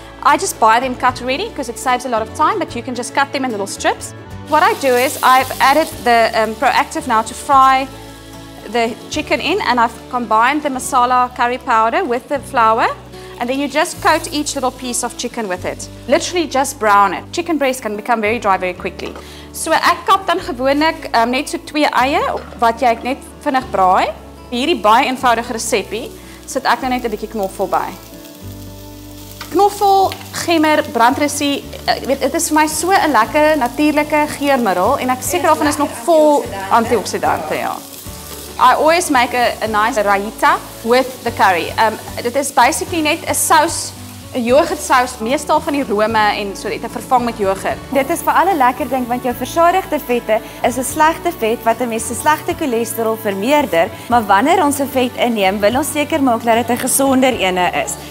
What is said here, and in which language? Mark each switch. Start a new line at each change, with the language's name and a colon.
English: I just buy them cut already because it saves a lot of time, but you can just cut them in little strips. What I do is I've added the pro-activ now to fry the chicken in, and I've combined the masala curry powder with the flour, and then you just coat each little piece of chicken with it. Literally just brown it. Chicken breast can become very dry very quickly.
Afrikaans: So ek kap dan gewoonlik net so 2 eie wat jy net vinnig braai. Hierdie baie eenvoudige resepie sit ek nou net 'n bietjie knoffel by. Knoffel, gemmer, brandrissie, dit is vir my so 'n lekker natuurlike geurmiddel en ek seker daarvan is nog vol antioksidante, ja.
English: I always make a nice raita with the curry.
Afrikaans: Dit is basically net 'n saus, 'n yoghurtsaus, meestal van die rome en so dit vervang met yoghurt. Dit is vir alle lekker ding want jou versadigde vette is 'n slegte vet wat 'n mens se slegte cholesterol vermeerder, maar wanneer ons 'n vet inneem, wil ons seker maak dat dit 'n gesonder ene is.